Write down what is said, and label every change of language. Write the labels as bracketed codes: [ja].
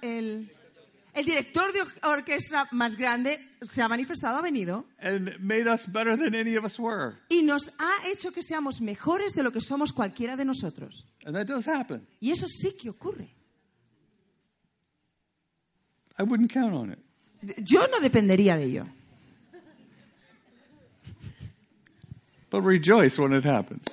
[es] El director de orquesta más grande se ha manifestado, ha venido, [en] and made us better than any of us were. [es] Y nos ha hecho que seamos mejores de lo que somos cualquiera de nosotros. [en] And that does happen. [es] Y eso sí que ocurre. [en] I wouldn't count on it. [es] Yo no dependería de ello. [en] But rejoice when it happens.